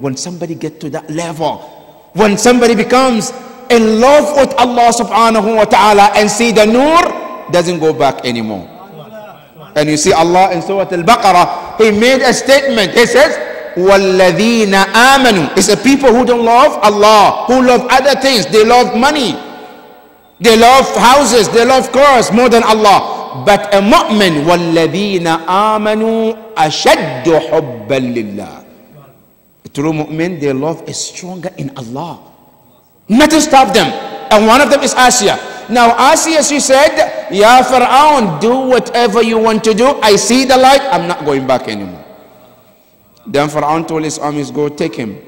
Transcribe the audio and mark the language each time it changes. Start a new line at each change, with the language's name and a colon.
English: When somebody gets to that level, when somebody becomes in love with Allah subhanahu wa ta'ala and see the nur, doesn't go back anymore. And you see Allah in Surah Al-Baqarah, He made a statement. He says,
Arabic: وَالَّذِينَ آمَنُوا.
English: It's a people who don't love Allah, who love other things. They love money, they love houses, they love cars more than Allah. But a mu'min,
Arabic: وَالَّذِينَ آمَنُوا أَشَدُّ حُبًّا لِلَّهِ.
English: A true mu'min, their love is stronger in Allah. Nothing stop them. And one of them is Asiya. Now Asiya, she said, Ya Fir'aun, do whatever you want to do. I see the light. I'm not going back anymore. Then Fir'aun told his armies, go take him.